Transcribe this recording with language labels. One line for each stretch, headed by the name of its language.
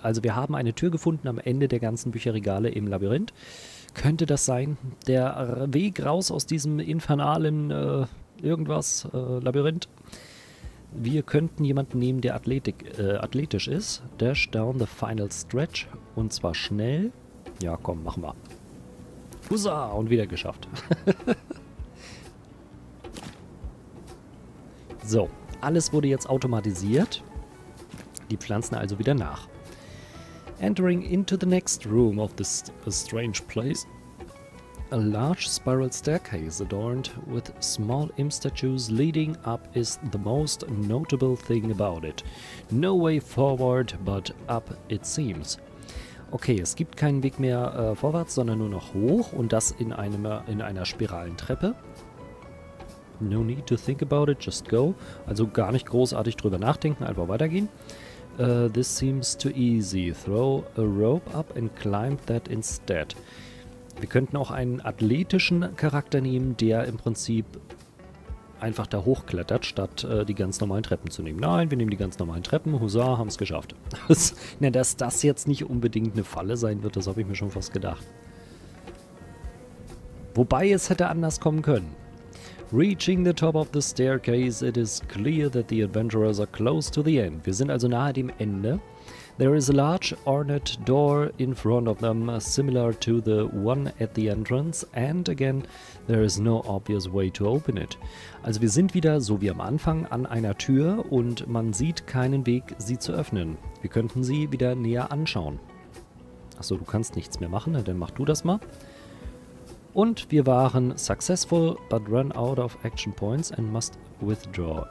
German: Also wir haben eine Tür gefunden am Ende der ganzen Bücherregale im Labyrinth. Könnte das sein? Der Weg raus aus diesem infernalen Labyrinth? Wir könnten jemanden nehmen, der athletisch ist.
English: Dash down the final stretch
German: und zwar schnell. Ja, komm, machen wir. Huzza! Und wieder geschafft. So, alles wurde jetzt automatisiert. Die pflanzen also wieder nach.
English: Entering into the next room of this strange place. A large spiral staircase adorned with small imp statues leading up is the most notable thing about it. No way forward, but up it seems.
German: Okay, es gibt keinen Weg mehr vorwärts, sondern nur noch hoch und das in einer spiralen Treppe.
English: No need to think about it, just go.
German: Also gar nicht großartig drüber nachdenken, einfach weitergehen.
English: This seems too easy. Throw a rope up and climb that instead.
German: Wir könnten auch einen athletischen Charakter nehmen, der im Prinzip einfach da hochklettert, statt die ganz normalen Treppen zu nehmen. Nein, wir nehmen die ganz normalen Treppen. Huzza, haben es geschafft. Na, dass das jetzt nicht unbedingt eine Falle sein wird, das habe ich mir schon fast gedacht. Wobei es hätte anders kommen können.
English: Reaching the top of the staircase, it is clear that the adventurers are close to the end.
German: Wir sind also nahe dem Ende.
English: There is a large ornate door in front of them, similar to the one at the entrance. And again, there is no obvious way to open it.
German: Also wir sind wieder, so wie am Anfang, an einer Tür und man sieht keinen Weg, sie zu öffnen. Wir könnten sie wieder näher anschauen. Achso, du kannst nichts mehr machen, dann mach du das mal. Und wir waren
English: successful, but run out of action points and must withdraw.